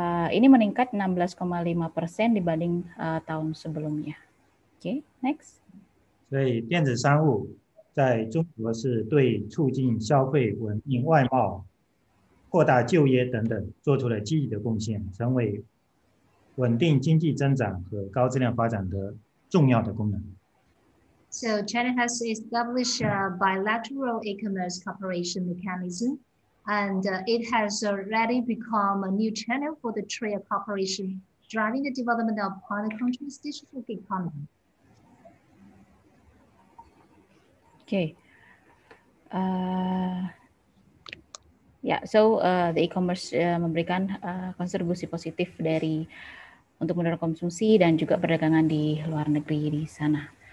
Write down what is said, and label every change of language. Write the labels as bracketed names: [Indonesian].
[Indonesian] Ini meningkat 16,5% dibanding tahun sebelumnya. [English] Oke, next. [Chinese] Jadi, 电子商务 在中国是对促进消费、稳定外贸、扩大就业等等做出了积极的贡献，成为稳定经济增长和高质量发展的重要的功能。 [English] So China has established a bilateral e-commerce cooperation mechanism, and it has already become a new channel for the trade cooperation, driving the development of partner countries' digital economy. Okay. [Indonesian] The e-commerce memberikan kontribusi positif dari untuk mendorong konsumsi dan juga perdagangan di luar negeri di sana.